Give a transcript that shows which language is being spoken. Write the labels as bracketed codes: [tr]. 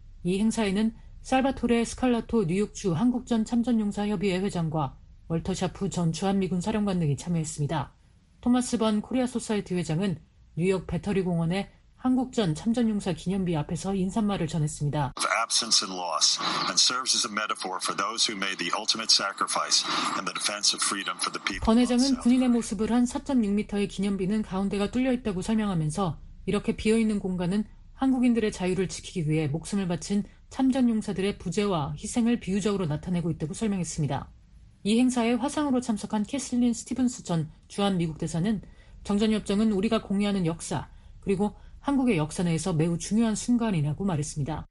[ko] 이 행사에는 살바토레 스칼라토 뉴욕주 한국전 참전용사협의회 회장과 월터 샤프 전 주한미군 사령관 등이 참여했습니다. 토마스 번 코리아 소사이어티 회장은 뉴욕 배터리 공원에 한국전 참전용사 기념비 앞에서 인사말을 전했습니다. [en] Absence and loss and serves as a metaphor for those who made the ultimate sacrifice in the defense of freedom for the people. [ko] 권 회장은 군인의 모습을 한 4.6m의 기념비는 가운데가 뚫려 있다고 설명하면서 이렇게 비어 있는 공간은 한국인들의 자유를 지키기 위해 목숨을 바친 참전용사들의 부재와 희생을 비유적으로 나타내고 있다고 설명했습니다. 이 행사에 화상으로 참석한 캐슬린 스티븐스 전 주한 미국 대사는 정전협정은 우리가 공유하는 역사 그리고 한국의 역사 내에서 매우 중요한 순간이라고 말했습니다.